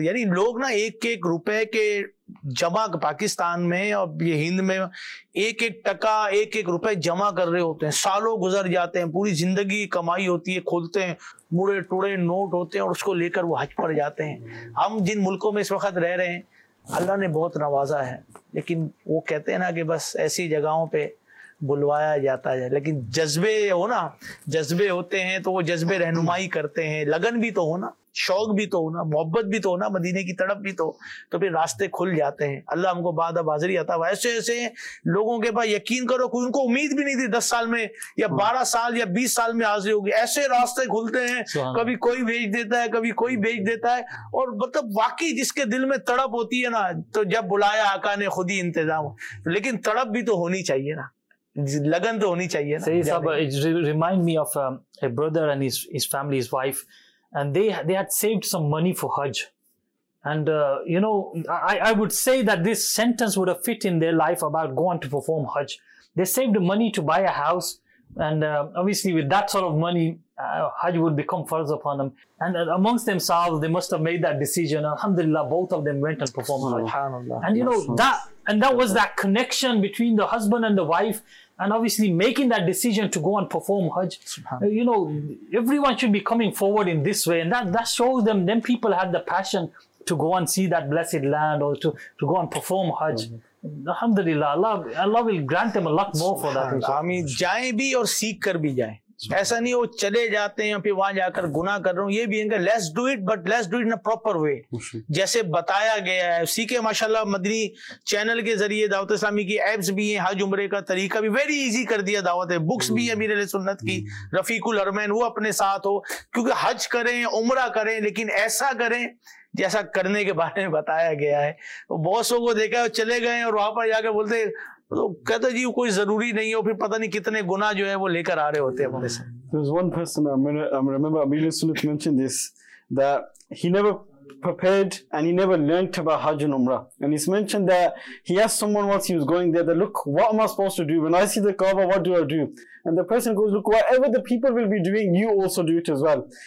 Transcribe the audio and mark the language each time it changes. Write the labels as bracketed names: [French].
[Hindi] Yani log na ek ek rupay ke jama Pakistan mein aur ye Hind mein ek ek taka ek ek rupay jama kar rahe hote hain, saalon guzar jate hain, puri zindagi kamai hoti hai, kholte hain mure tode note hote hain aur usko lekar wo Hajj par jate hain. Hum jin mulkon mein is waqt reh rahe hain, Allah ne bahut nawaza hai, lekin wo kehte hain na ki bas aisi jagahon pe बुलवाया जाता है. लेकिन जज्बे हो ना, जज्बे होते हैं तो वो जज्बे रहनुमाई करते हैं. लगन भी तो हो ना, शौक भी तो हो ना, मोहब्बत भी तो हो ना, मदीने की तड़प भी तो फिर रास्ते खुल जाते हैं. अल्लाह हमको बादा बाजरी आता है. ऐसे ऐसे लोगों के पास यकीन करो, उनको उम्मीद भी नहीं थी 10 साल में या 12 साल या 20 साल में हाजिरी होगी. ऐसे रास्ते खुलते हैं, कभी कोई भेज देता है, कभी कोई भेज देता है. और मतलब वाकई जिसके दिल में तड़प होती है ना, तो जब बुलाया आका ने खुद ही इंतजाम. लेकिन तड़प भी तो होनी चाहिए ना, लगन तो होनी चाहिए ना. [English] सही साहब, it remind me of a brother and his family, his wife, and they had saved some money for Hajj. And you know, I would say that this sentence would have fit in their life about go on to perform Hajj. They saved money to buy a house, and obviously with that sort of money Hajj would become farz upon them. And amongst themselves they must have made that decision. अल्हम्दुलिल्लाह, both of them went and perform Hajj. And you know that, and that was that connection between the husband and the wife, and obviously making that decision to go and perform Hajj. You know, everyone should be coming forward in this way, and that shows them, then people had the passion to go and see that blessed land or to go and perform Hajj. Alhamdulillah, Allah will grant them a lot more for that. [Hindi] Ameen. Jaye bhi aur seekh kar bhi jaye. ऐसा नहीं वो चले जाते हैं फिर वहां जाकर गुनाह कर रहे हो, ये भी है [English] let's do it but let's do it in a proper way [Hindi] जैसे बताया गया है। उसी के माशाल्लाह मदनी चैनल के जरिए दावत इस्लामी की एप्स भी है, हज उमरे का तरीका भी वेरी इजी कर दिया दावत है, बुक्स भी है मेरे लिए सुन्नत की रफीकुल हरमैन वो अपने साथ हो, क्योंकि हज करें उमरा करें लेकिन ऐसा करें जैसा करने के बारे में बताया गया है। बहुत लोगों को देखा है चले गए और वहां पर जाकर बोलते तो कहते जी कोई जरूरी नहीं हो, फिर पता नहीं कितने गुना जो है वो लेकर आ रहे होते हैं। [English] There was one person, I remember Amir Sunnat mentioned this, that he never prepared and he never learnt about Hajj and Umrah. And he's mentioned that he asked someone once he was going there, that look, what am I supposed to do? When I see the Kaaba, what do I do? And the person goes, look, whatever the people will be doing, you also do it as well.